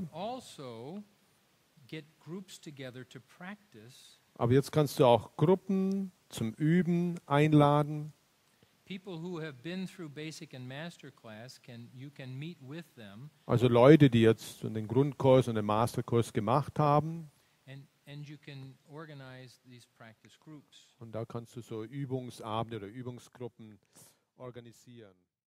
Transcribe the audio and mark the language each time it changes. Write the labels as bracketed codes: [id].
[en] you can also get groups together to practice. [de] Aber jetzt kannst du auch Gruppen zum Üben einladen. [en] People who have been through basic and master class can you can meet with them. [de] Also Leute, die jetzt den Grundkurs und den Masterkurs gemacht haben. [en] And you can organize these practice groups. [de] Und da kannst du so Übungsabende oder Übungsgruppen organisieren.